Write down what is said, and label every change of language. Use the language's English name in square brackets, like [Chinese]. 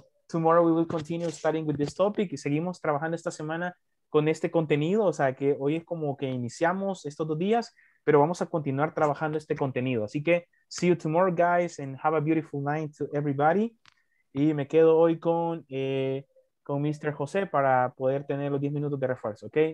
[English] Tomorrow we will continue studying with this topic. [Spanish] Y seguimos trabajando esta semana con este contenido. O sea que hoy es como que iniciamos estos dos días. Pero vamos a continuar trabajando este contenido. Así que, [English] see you tomorrow, guys, and have a beautiful night to everybody. [Spanish] Y me quedo hoy con Mr. José para poder tener los 10 minutos de refuerzo, ¿ok?